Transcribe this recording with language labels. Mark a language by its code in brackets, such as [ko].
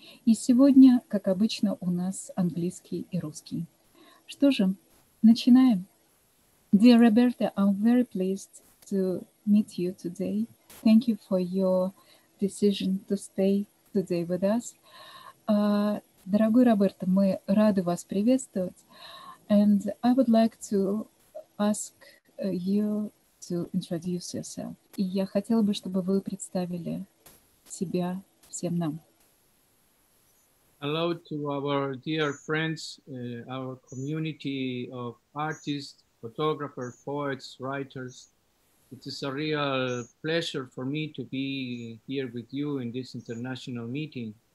[ru] И сегодня, как обычно, у нас английский и русский. Что же, начинаем. [en] Dear Roberta, I'm very pleased to meet you today. Thank you for your decision to stay today with us. [ru] Дорогой Роберто, мы рады вас приветствовать. [en] And I would like to ask you to introduce yourself. [ru] И я хотела бы, чтобы вы представили себя всем нам. [en] Hello to our dear friends, our community of artists, photographers, poets, writers. It is a real pleasure for me to be here with you in this international meeting.